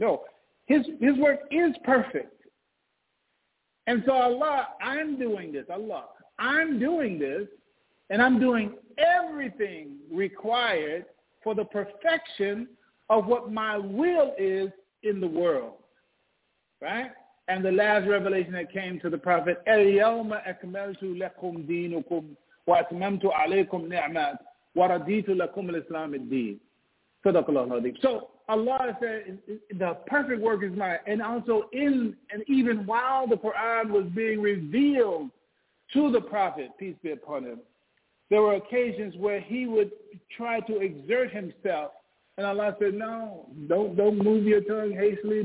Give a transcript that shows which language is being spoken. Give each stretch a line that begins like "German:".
English: No, his work is perfect. And so Allah, I'm doing this. Allah, I'm doing this, and I'm doing everything required for the perfection of what my will is in the world. Right? And the last revelation that came to the Prophet,
Arabic: الْيَوْمَ أَكْمَلْتُ لَكُمْ دِينُكُمْ وَأَتْمَمْتُ عَلَيْكُمْ نِعْمَةً وَرَدِيتُ لَكُمْ الْإِسْلَامِ الدِّينِ صَدَقَ اللَّهُ الْعَظِيمُ.
English: So Allah said, the perfect work is mine. And also in, and even while the Quran was being revealed to the Prophet, peace be upon him, there were occasions where he would try to exert himself. And Allah said, no, don't move your tongue hastily.